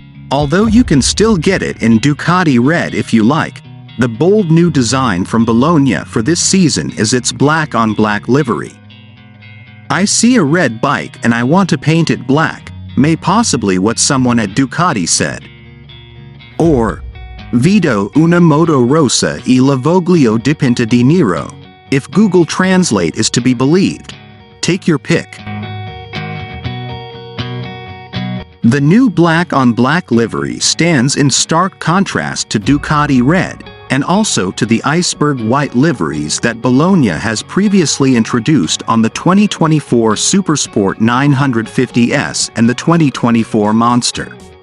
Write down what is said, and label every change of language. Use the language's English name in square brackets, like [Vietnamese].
[English] Although you can still get it in Ducati red if you like, the bold new design from Bologna for this season is its black-on-black livery. I see a red bike and I want to paint it black, may possibly what someone at Ducati said. [Italian] Or, vedo una moto rossa e la voglio dipinta di nero, [English] if Google Translate is to be believed. Take your pick. The new black-on-black livery stands in stark contrast to Ducati red, and also to the iceberg white liveries that Bologna has previously introduced on the 2024 Supersport 950S and the 2024 Monster.